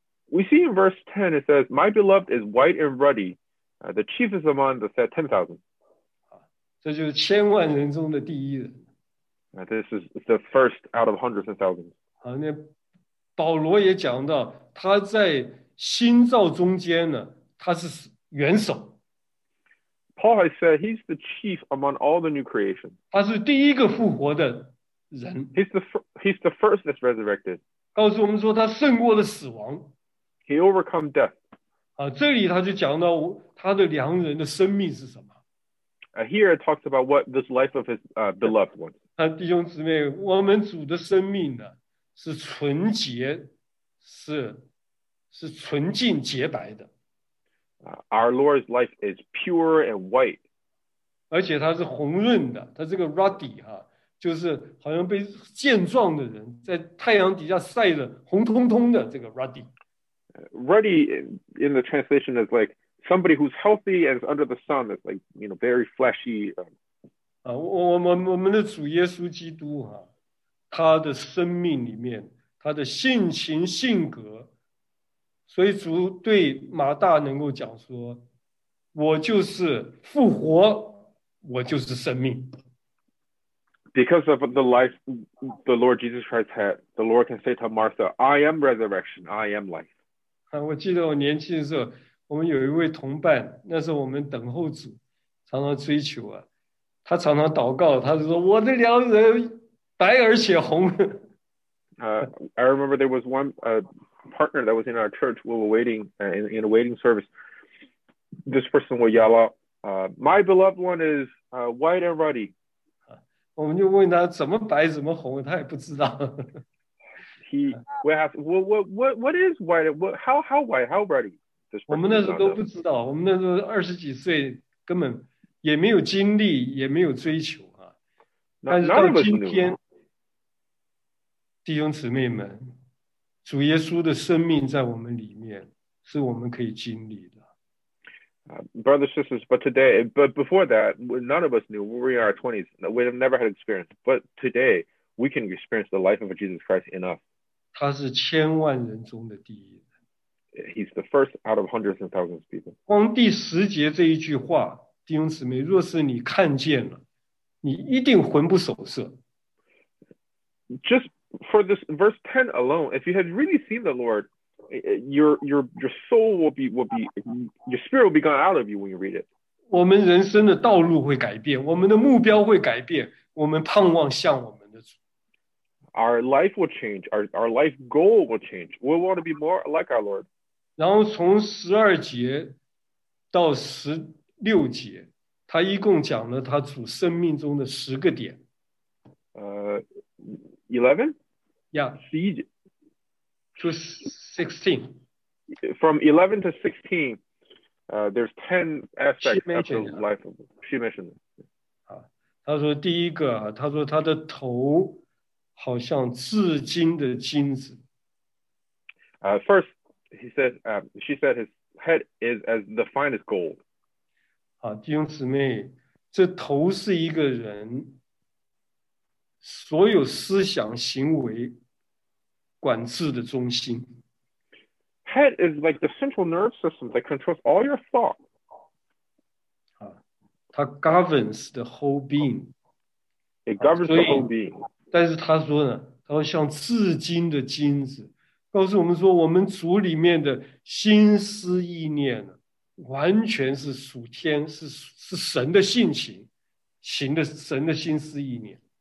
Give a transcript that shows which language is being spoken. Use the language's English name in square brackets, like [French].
[English] We see in verse 10, it says, My beloved is white and ruddy, the chiefest among the 10,000. [Chinese] 这就是千万人中的第一人。 [English] This is the first out of hundreds and thousands. [Chinese] 保罗也讲到他在新造中间呢，他是元首。 [English] Paul has said he's the chief among all the new creation. [Chinese] 他是第一个复活的人。 [English] He's the first that's resurrected. [Chinese] 告诉我们说他胜过了死亡。 [English] He overcome death. [Chinese] 啊，这里他就讲到他的良人的生命是什么。 [English] Here it talks about what this life of his beloved one. [Chinese] 啊，弟兄姊妹，我们主的生命呢，是纯洁，是纯净洁白的。 [English] Our Lord's life is pure and white. [Chinese] 而且他是红润的，他这个 ruddy 哈，就是好像被健壮的人在太阳底下晒的红彤彤的这个 ruddy. [English] Ruddy in the translation is like somebody who's healthy and is under the sun. It's like, you know, very fleshy. [Chinese] 我们的主耶稣基督哈，他的生命里面，他的性情性格。所以主对马大能够讲说，我就是复活，我就是生命。 [English] Because of the life the Lord Jesus Christ had, the Lord can say to Martha, I am resurrection, I am life. [Chinese] 我记得我年轻的时候，我们有一位同伴，那时候我们等候主，常常追求啊，他常常祷告，他就说，我的良人白而且红。 [English] I remember there was one partner that was in our church while we were waiting in a waiting service. This person would yell out, "My beloved one is white and ruddy." [Chinese] 我们就问他怎么白怎么红，他也不知道。 [English] We asked, "What is white? How white? How ruddy?" [Chinese] 我们那时候都不知道，我们那时候二十几岁，根本也没有经历，也没有追求啊。但是到今天。弟兄姊妹们，主耶稣的生命在我们里面，是我们可以经历的。 [English] Brothers, sisters, but today, but before that, none of us knew. We were in our 20s. We have never had experience. But today, we can experience the life of Jesus Christ in us. [Chinese] 他是千万人中的第一人。 [English] He's the first out of hundreds and thousands of people. [Chinese] 光第十节这一句话，弟兄姊妹，若是你看见了，你一定魂不守舍。 [English] For this verse 10 alone, if you had really seen the Lord, your soul will be your spirit will be gone out of you when you read it. [Chinese] 我们人生的道路会改变，我们的目标会改变，我们盼望向我们的主。 [English] Our life will change. Our life goal will change. We want to be more like our Lord. [Chinese] 然后从12节到16节，他一共讲了他主生命中的十个点。 [English] 11? Yeah. To 16. From 11 to 16, there's 10 aspects of the life of she mentioned. [Chinese] 他说第一个，他说他的头好像至金的金子。 [English] First, he said, she said his head is as the finest gold. [Chinese] 弟兄姊妹，这头是一个人所有思想行为管制的中心。 [English] Head is like the central nerve system that controls all your thought. 它 governs the whole being. It governs the whole being. [Chinese] 但是他说呢，他说像至金的金子，告诉我们说我们主里面的心思意念呢，完全是属天，是神的性情，行的神的心思意念。